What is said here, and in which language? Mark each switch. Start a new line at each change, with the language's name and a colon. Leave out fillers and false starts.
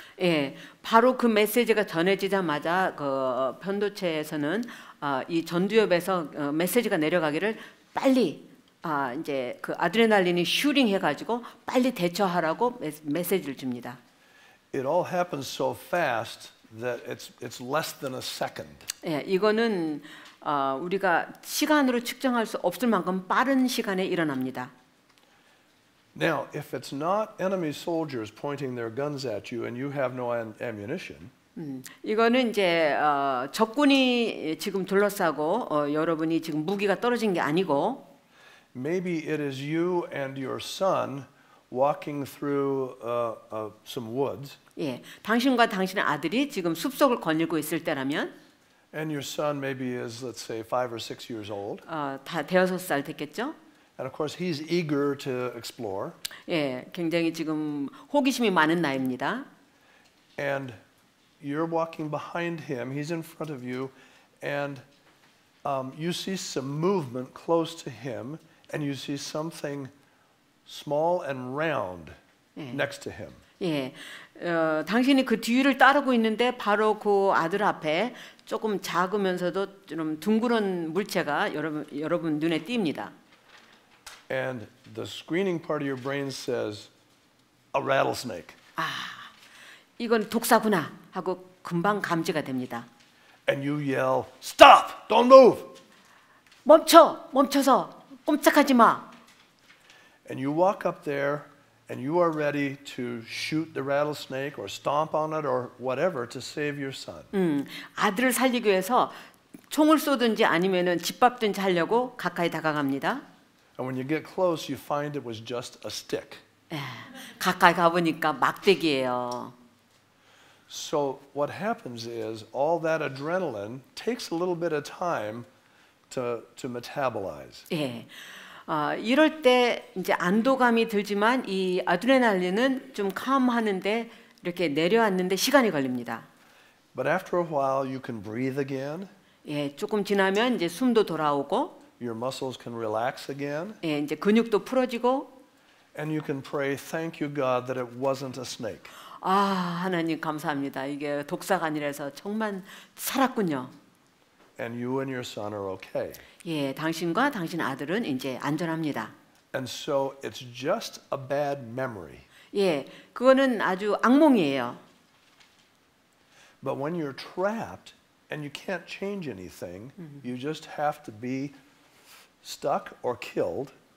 Korean: 예. 바로 그 메시지가 전해지자마자 그 편도체에서는 이 전두엽에서 메시지가 내려가기를 빨리 이제 그 아드레날린이 슈링 해가지고 빨리 대처하라고 메시지를 줍니다.
English: It all happens so fast that it's less than a second.
Korean: 예, 이거는 우리가 시간으로 측정할 수 없을 만큼 빠른 시간에 일어납니다.
English: Now, if it's not enemy soldiers pointing their guns at you and you have no ammunition.
Korean: 이거는 이제 적군이 지금 둘러싸고 여러분이 지금 무기가 떨어진 게 아니고.
English: Maybe it is you and your son walking through some woods.
Korean: 예, 당신과 당신의 아들이 지금 숲속을 거닐고 있을 때라면.
English: And your son maybe is, let's say, 5 or 6 years old.
Korean: 다 대여섯 살 됐겠죠.
English: And of course, he's eager to explore.
Korean: 예, 굉장히 지금 호기심이 많은 나이입니다.
English: And you're walking behind him. He's in front of you, and you see some movement close to him. And you see something small and round next to him.
Korean: 예, 당신이 그 뒤를 따르고 있는데 바로 그 아들 앞에 조금 작으면서도 좀 둥그런 물체가 여러분 눈에 띕니다.
English: And the screening part of your brain says, "A rattlesnake."
Korean: 아, 이건 독사구나 하고 금방 감지가 됩니다.
English: And you yell, "Stop! Don't move!"
Korean: 멈춰, 멈춰서. 꼼짝하지 마.
English: And you walk up there and you are ready to shoot the rattlesnake or stomp on it or whatever to save your son.
Korean: 아들을 살리기 위해서 총을 쏘든지 아니면은 짓밟든지 하려고 가까이 다가갑니다.
English: And when you get close you find it was just a stick.
Korean: 가까이 가 보니까 막대기예요.
English: So what happens is all that adrenaline takes a little bit of time to metabolize.
Korean: 예. 이럴 때 이제 안도감이 들지만 이 아드레날린은 좀 calm하는데 이렇게 내려앉는데 시간이 걸립니다.
English: But after a while you can breathe again.
Korean: 예, 조금 지나면 이제 숨도 돌아오고
English: Your muscles can relax again.
Korean: 예, 이제 근육도 풀어지고
English: And you can pray thank you God that it wasn't a snake.
Korean: 아, 하나님 감사합니다. 이게 독사가 아니라서 정말 살았군요.
English: And you and your son are okay.
Korean: 예, 당신과 당신 아들은 이제 안전합니다.
English: And so it's just a bad memory.
Korean: 예, 그거는 아주 악몽이에요.
English: But when you're trapped and you can't change anything, you just have to be stuck or killed.